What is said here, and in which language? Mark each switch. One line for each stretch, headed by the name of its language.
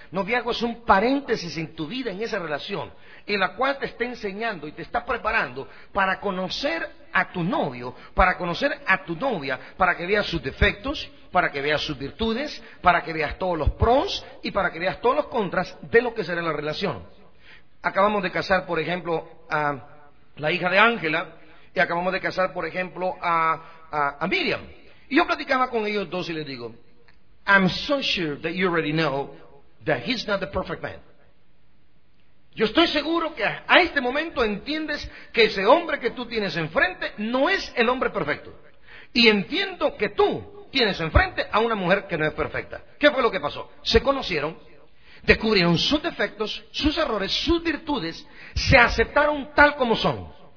Spanish: Noviazgo es un paréntesis en tu vida, en esa relación, en la cual te está enseñando y te está preparando para conocer a tu novio, para conocer a tu novia, para que veas sus defectos, para que veas sus virtudes, para que veas todos los pros y para que veas todos los contras de lo que será la relación. Acabamos de casar, por ejemplo, a la hija de Ángela, y acabamos de casar, por ejemplo, a Miriam. Y yo platicaba con ellos dos y les digo,
English: I'm so sure that you already know that he's not the perfect man.
Spanish: Yo estoy seguro que a este momento entiendes que ese hombre que tú tienes enfrente no es el hombre perfecto. Y entiendo que tú tienes enfrente a una mujer que no es perfecta. ¿Qué fue lo que pasó? Se conocieron, descubrieron sus defectos, sus errores, sus virtudes, se aceptaron tal como son.